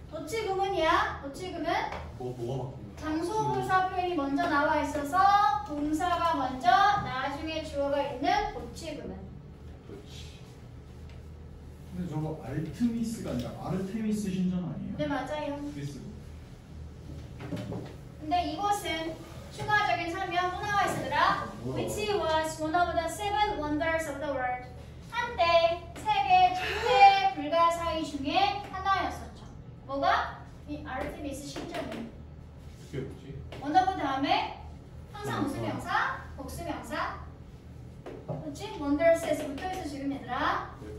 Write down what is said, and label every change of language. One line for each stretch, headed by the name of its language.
Korean: 도치구문이야. 도치구문 장소부사 표현이 먼저 나와 있어서 동사가 먼저 나중에 주어가 있는 도치구문. 근데 저거 알트미스가 아니라 아르테미스 신전 아니에요? 네 맞아요. 알트미스. 근데 이것은 추가적인 설명 또 나와 있으더라.
English: Which was one of the seven wonders of the world.
Korean: 한때 세계 최대 불가사의 중에 하나였었죠. 뭐가? 이 아르테미스 신전이. 어떻게 보지? 원더브 다음에 항상 무슨 명사? 복수 명사? 그렇지? Wonders에서 붙어있어 지금 얘들아.